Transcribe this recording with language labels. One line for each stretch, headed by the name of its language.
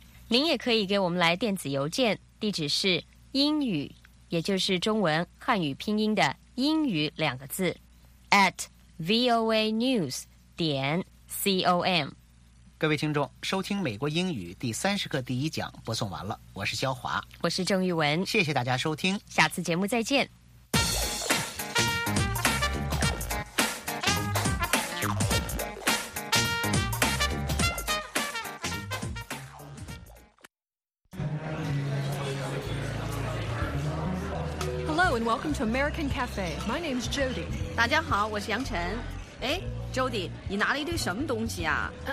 Chinese: 您也可以给我们来电子邮件，地址是英语，也就是中文汉语拼音的英语两个字 @voanews.com。各位听众，收听美国英语第30课第一讲播送完了，我是肖华，我是郑玉文，谢谢大家收听，下次节目再见。
English: Hello and welcome to American Cafe. My name is Jody.
Chinese: 大家好，我是杨晨。哎。 Jody, 你拿了一堆什么东西啊